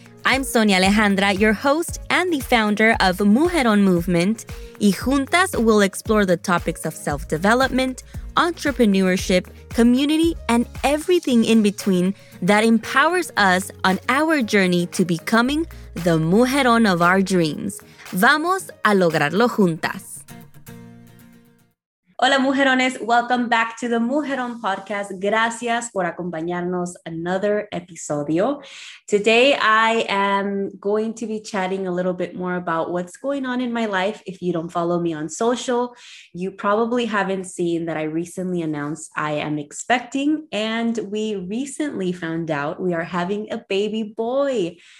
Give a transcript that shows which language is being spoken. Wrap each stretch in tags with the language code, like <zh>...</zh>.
<en>I'm Sonia Alejandra, your host and the founder of Mujeron Movement,</en> <es>y juntas</es> <en>we'll explore the topics of self-development, entrepreneurship, community, and everything in between that empowers us on our journey to becoming the Mujeron of our dreams.</en> <es>Vamos a lograrlo juntas. Hola, Mujerones.</es> <en>Welcome back to the Mujeron Podcast.</en> <es>Gracias por acompañarnos</es> <en>another episodio. Today, I am going to be chatting a little bit more about what's going on in my life. If you don't follow me on social, you probably haven't seen that I recently announced I am expecting, and we recently found out we are having a baby boy.</en>